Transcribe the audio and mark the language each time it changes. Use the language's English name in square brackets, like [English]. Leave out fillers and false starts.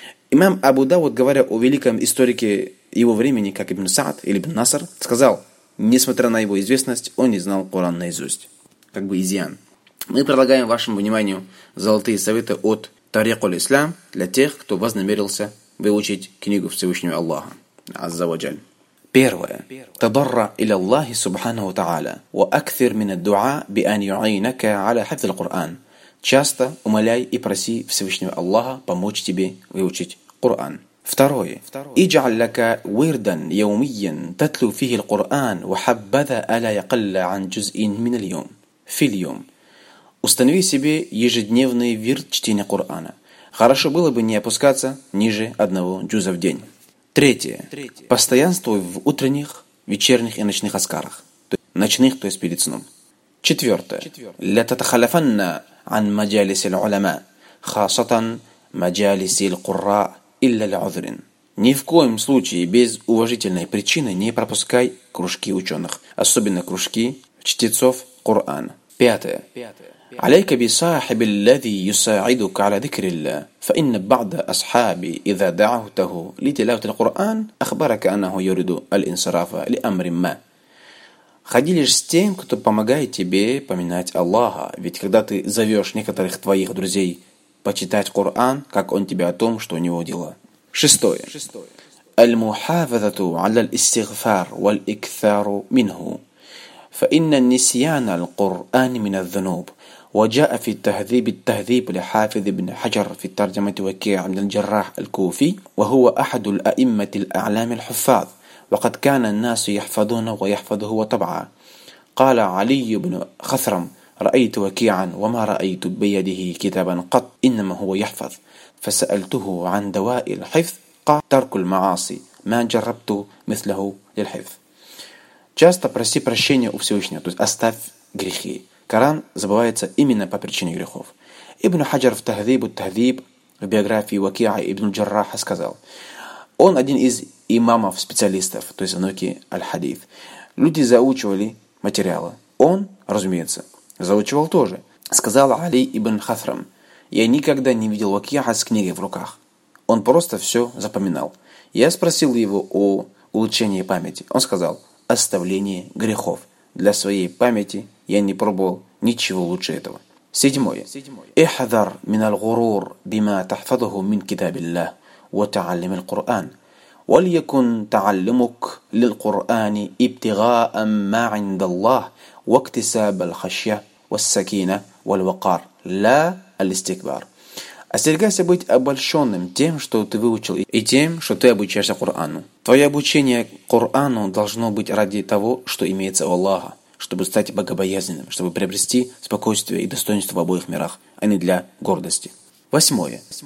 [Russian] Имам Абу Дауд, говоря о великом историке его времени, как Ибн Саад или Ибн Наср, сказал: «Несмотря на его известность, он не знал Корана наизусть». Как бы изъян. Мы предлагаем вашему вниманию золотые советы от Тариқ аль-Ислам для тех, кто вознамерился выучить книгу Всевышнего Аллаха. Азза ва джаль. Первое. [Arabic] تضرع إلى الله سبحانه وتعالى وأكثر من الدعاء بأن يعينك على حفظ القرآن. [Russian] Часто умоляй и проси Всевышнего Аллаха помочь тебе выучить Коран. Второе. [Arabic] اجعل لك وردا يوميا تتلو فيه القرآن وحبذا ألا يقل عن جزء من اليوم. في اليوم. [Russian] Установи себе ежедневный вирд чтения Корана. Хорошо было бы не опускаться ниже одного джуза в день. Третье. Постоянствуй в утренних, вечерних и ночных азкарах. Ночных, то есть перед сном. Четвертое. [Arabic] لا تتخلفن عن مجالس العلماء خاصة مجالس القراء إلا لعذر. [Russian] Ни в коем случае без уважительной причины не пропускай кружки ученых, особенно кружки чтецов Корана. Пятое. [Arabic] عليك بصاحب الذي يساعدك على ذكر الله فإن بعض أصحابي إذا دعوته لتلاوة القرآن أخبرك أنه يريد الانصراف لأمر ما. [Russian] Ходи лишь с тем, кто помогает тебе поминать Аллаха. Ведь когда ты зовешь некоторых твоих друзей почитать Коран, как он тебе о том, что у него дела. Шестое. [Arabic] المحافظة على الاستغفار والإكثار منه فإن النسيان القرآن من الذنوب. وجاء في التهذيب التهذيب لحافظ ابن حجر في الترجمة وكيع عبد الجراح الكوفي وهو أحد الأئمة الأعلام الحفاظ وقد كان الناس يحفظون ويحفظه وطبعا قال علي بن خثرم رأيت وكيعا وما رأيت بيده كتابا قط إنما هو يحفظ فسألته عن دواء الحفظ قال ترك المعاصي ما جربت مثله للحفظ. [Russian] Часто проси прощения у Всевышнего, то есть оставь грехи. Коран забывается именно по причине грехов. Ибн Хаджар в Тахзибу Тахзиб в биографии Вакиа ибн Джарраха сказал: «Он один из имамов-специалистов, то есть внуки Аль-Хадиф. Люди заучивали материалы. Он, разумеется, заучивал тоже. Сказал Али ибн Хасрам: я никогда не видел Вакиа с книгой в руках. Он просто все запоминал. Я спросил его о улучшении памяти. Он сказал: оставление грехов. Для своей памяти я не пробовал ничего лучше этого». Седьмое. [Arabic] احذر من الغرور بما تحفظه من كتاب الله وتعلم القرآن وليكن تعلمك للقرآن ابتغاء ما عند الله واكتساب الخشية والسكينة والوقار لا الاستكبار. [Russian] Остерегайся быть обольщенным тем, что ты выучил, и тем, что ты обучаешься Корану. Твое обучение Корану должно быть ради того, что имеется у Аллаха, чтобы стать богобоязненным, чтобы приобрести спокойствие и достоинство в обоих мирах, а не для гордости. Восьмое.